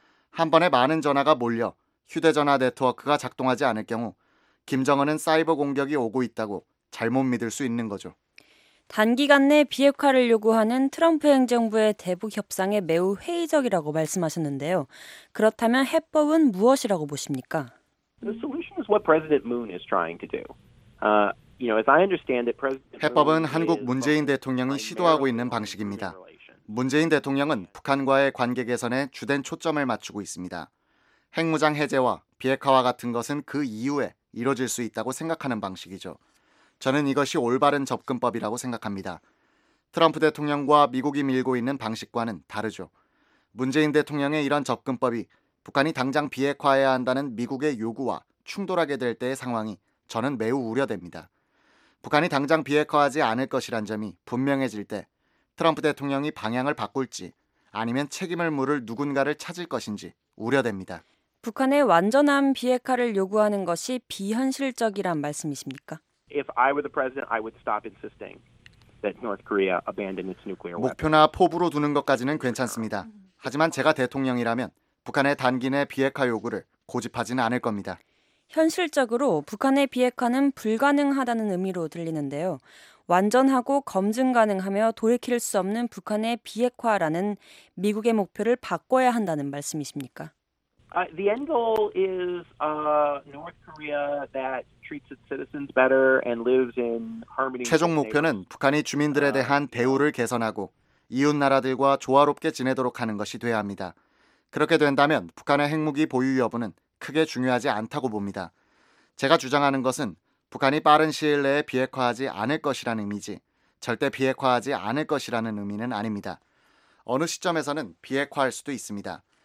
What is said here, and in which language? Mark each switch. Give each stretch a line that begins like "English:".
Korean: 한 번에 많은 전화가 몰려 휴대전화 네트워크가 작동하지 않을 경우 김정은은 사이버 공격이 오고 있다고 잘못 믿을 수 있는 거죠. 단기간 내 비핵화를 요구하는 트럼프 행정부의 대북 협상에 매우 회의적이라고 말씀하셨는데요. 그렇다면 해법은 무엇이라고 보십니까?
English: The solution is what President Moon is trying to do. You know, as I understand it, President
Korean: 해법은 한국 문재인 대통령이 시도하고 있는 방식입니다. 문재인 대통령은 북한과의 관계 개선에 주된 초점을 맞추고 있습니다. 핵무장 해제와 비핵화와 같은 것은 그 이후에 이루어질 수 있다고 생각하는 방식이죠. 저는 이것이 올바른 접근법이라고 생각합니다. 트럼프 대통령과 미국이 밀고 있는 방식과는 다르죠. 문재인 대통령의 이런 접근법이 북한이 당장 비핵화해야 한다는 미국의 요구와 충돌하게 될 때의 상황이 저는 매우 우려됩니다. 북한이 당장 비핵화하지 않을 것이란 점이 분명해질 때 트럼프 대통령이 방향을 바꿀지 아니면 책임을 물을 누군가를 찾을 것인지 우려됩니다. 북한의 완전한 비핵화를 요구하는 것이 비현실적이란 말씀이십니까?
English: If I were the president, I would stop insisting that North Korea abandon its nuclear weapons.
Korean: 목표나 포부로 두는 것까지는 괜찮습니다. 하지만 제가 대통령이라면 북한의 단기 내 비핵화 요구를 고집하지는 않을 겁니다. 현실적으로 북한의 비핵화는 불가능하다는 의미로 들리는데요. 완전하고 검증 가능하며 돌이킬 수 없는 북한의 비핵화라는 미국의 목표를 바꿔야 한다는 말씀이십니까?
English: The end goal is North Korea that treats its citizens better and lives in harmony.
Korean: 최종 목표는 북한이 주민들에 대한 대우를 개선하고 이웃 나라들과 조화롭게 지내도록 하는 것이 돼야 합니다. 그렇게 된다면 북한의 핵무기 보유 여부는 크게 중요하지 않다고 봅니다. 제가 주장하는 것은 북한이 빠른 시일 내에 비핵화하지 않을 것이라는 의미지 절대 비핵화하지 않을 것이라는 의미는 아닙니다. 어느 시점에서는 비핵화할 수도 있습니다.